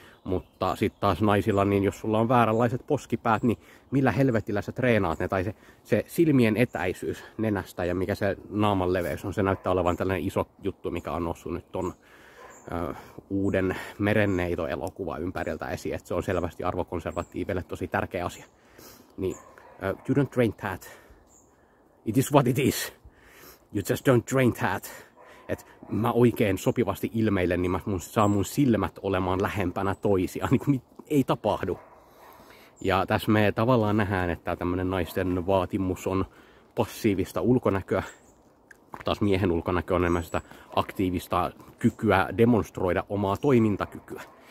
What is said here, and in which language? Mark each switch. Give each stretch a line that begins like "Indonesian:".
Finnish: Mutta sitten taas naisilla, niin jos sulla on vääränlaiset poskipäät, niin millä helvetillä sä treenaat ne? Tai se silmien etäisyys nenästä ja mikä se naaman leveys on, se näyttää olevan tällainen iso juttu, mikä on noussut nyt ton uuden merenneito-elokuva ympäriltä esiin, että se on selvästi arvokonservatiiville tosi tärkeä asia.
English: Niin, you don't train that. It is what it is. You just don't train that.
Finnish: Että mä oikein sopivasti ilmeilen, niin mä saan mun silmät olemaan lähempänä toisia. Niin kuin ei tapahdu. Ja tässä me tavallaan nähdään, että tämmönen naisten vaatimus on passiivista ulkonäköä. Taas miehen ulkonäkö on enemmän sitä aktiivista kykyä demonstroida omaa toimintakykyä.